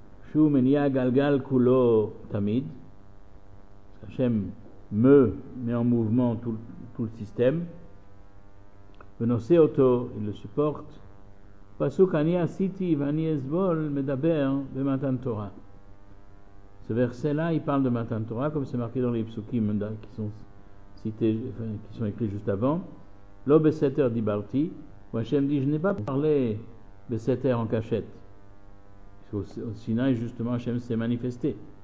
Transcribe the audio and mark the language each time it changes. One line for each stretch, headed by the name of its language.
Hebrew: Shu menia galgal kulo tamid.
French: Hachem met en mouvement tout le système.
Hebrew: Venose auto,
French: il le supporte.
Hebrew: פסוק אני עשיתי ואני אסבול מדבר במתן תורה.
French: Ce verset-là, il parle de Matan Torah, comme c'est marqué dans les psukim qui sont cités, enfin, qui sont écrits juste avant.
Hebrew: Lo beseter dibarti,
French: où Hachem dit, je n'ai pas parlé beseter en cachette. Au Sinaï, justement, Hachem s'est manifesté.